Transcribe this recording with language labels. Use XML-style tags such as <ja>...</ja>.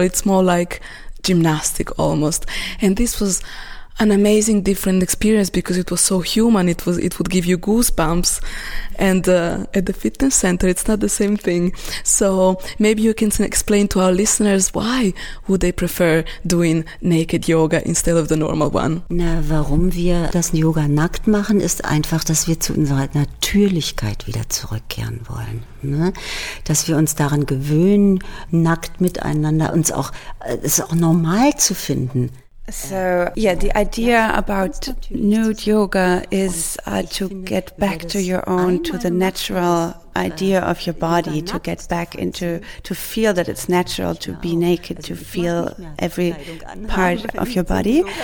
<en>It's more like gymnastic almost. And this was an amazing different experience because it was so human. It would give you goosebumps. And at the fitness center, it's not the same thing. So maybe you can explain to our listeners, why would they prefer doing naked yoga instead of the normal one?</en> <de>Na, warum wir das Yoga nackt machen, ist einfach, dass wir zu unserer Natürlichkeit wieder zurückkehren wollen. Ne? Dass wir uns daran gewöhnen, nackt miteinander, uns auch, es auch normal zu finden.</de> <en>So, yeah, the idea about nude yoga is to get back to your own, to the natural idea of your body, to get back into, to feel that it's natural to be naked, to feel every part of your body.</en>